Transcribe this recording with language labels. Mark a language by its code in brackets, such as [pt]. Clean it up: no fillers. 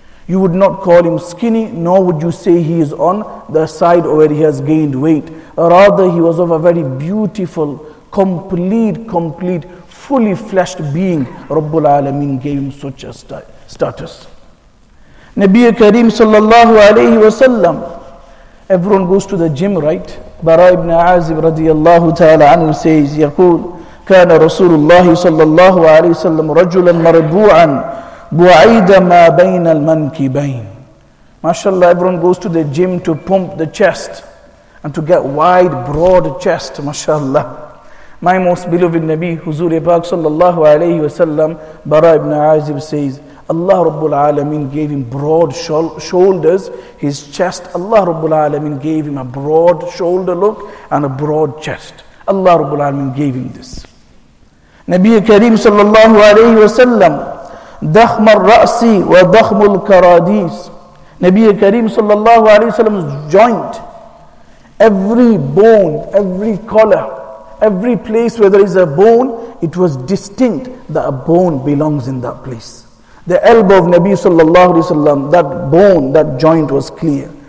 [en] You would not call him skinny, nor would you say he is on the side where he has gained weight. Rather, he was of a very beautiful, complete, complete, fully fleshed being, Rabbul Alameen gave him such a status. Nabi Kareem sallallahu alayhi wa sallam, everyone goes to the gym, right? [ar] Bara ibn Azib radiyallahu ta'ala anhu says, Yaqul, كان رسول الله صلى الله عليه وسلم رجلا مربوعا بعيد ما بين المنكبين. [en] ما شاء الله, everyone goes to the gym to pump the chest and to get wide, broad chest. [ar] ما شاء الله. [en] My most beloved Nabi, Huzur Pak صلى الله عليه وسلم, Bara ibn Azib says, Allah Rabbul Alameen gave him broad shoulders, his chest. Allah Rabbul Alameen gave him a broad shoulder look and a broad chest. Allah Rabbul Alameen gave him this. [ar] نبي كريم صلى الله عليه وسلم ضخم الرأس وضخم الكراديس. [en] نبي كريم صلى الله عليه وسلم joint, every bone, every collar, every place where there is a bone, it was distinct that a bone belongs in that place. The elbow of Nabi صلى الله عليه وسلم, that bone, that joint was clear.